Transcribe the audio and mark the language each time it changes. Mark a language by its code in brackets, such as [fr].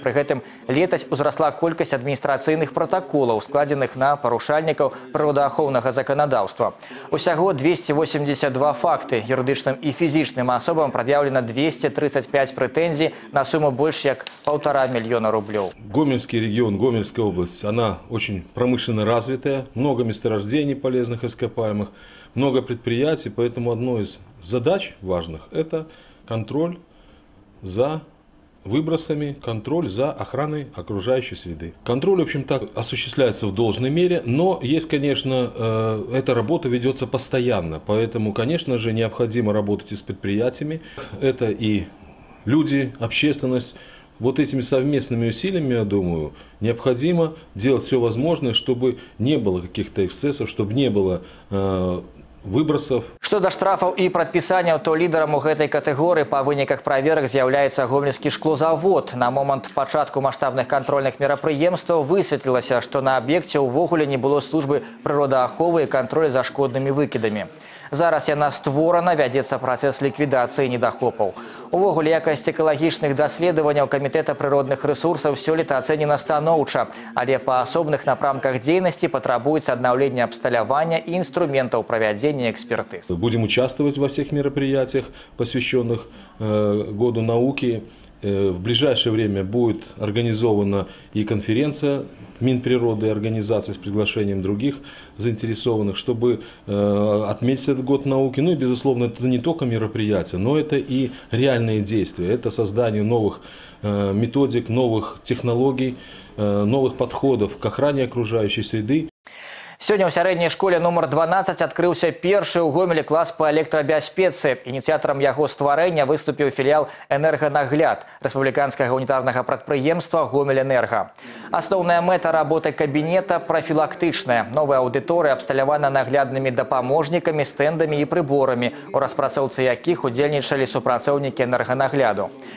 [be] Пры гэтым летась узрасла колькасць адміністрацыйных пратаколаў, складзеных на парушальнікаў прыродаахоўнага заканадаўства. Усяго 282 факты. Юрыдычным і фізічным асобам прад'яўлена 235 прэтэнзій на суму больш як 1,5 мільёна рублёў. Гомельскі рэгіён, [ru] Гомельская область, она очень прамышленно развітая, много месторождений полезных ископаемых, много предприятий, поэтому одно из задач важных – это контроль за выбросами, контроль за охраной окружающей среды. Контроль, в общем-то, осуществляется в должной мере, но есть, конечно, эта работа ведется постоянно, поэтому, конечно же, необходимо работать и с предприятиями. Это и люди, общественность. Вот этими совместными усилиями, я думаю, необходимо делать все возможное, чтобы не было каких-то эксцессов, чтобы не было выбросов. [be] Што да штрафаў і прадпісанняў, то лідарам у гэтай катэгорыі па выніках праверак з'яўляецца гомельскі шклозавод. На момант пачатку маштабных кантрольных мерапрыемстваў высветлілася, што на аб'екце ўвогуле не было службы прыродааховы і кантроля за шкоднымі выкідамі. Зараз яна створана, вядзецца працэс ліквідацыі недахопаў. Увогуле, якасць экалагічных даследаванняў камітэта прыродных рэсурсаў сёлета ацэнена станоўча, але па асобных напрамках дзейнасці патрабуецца аднаўленне абсталявання і інструментаў правядзення экспертыз. [ru] Будем участвовать во всех мероприятиях, посвященных году науки. В ближайшее время будет организована и конференция Минприроды и организации с приглашением других заинтересованных, чтобы отметить этот год науки. Ну и, безусловно, это не только мероприятие, но это и реальные действия. Это создание новых методик, новых технологий, новых подходов к охране окружающей среды. [be] Сёння ў сярэдняй школе номер 12 адкрыўся першы ў Гомелі клас па электрабяспецы. Ініцыятарам яго стварэння выступіў філіял «Энерганагляд» Рэспубліканскага унітарнага прадпрыемства «Гомельэнерга». Асноўная мэта работы кабінета – прафілактычная. Новая аўдыторыя абсталявана нагляднымі дапаможнікамі, стэндамі і прыборамі, у распрацоўцы якіх удзельнічалі супрацоўнікі «Энерганагляду».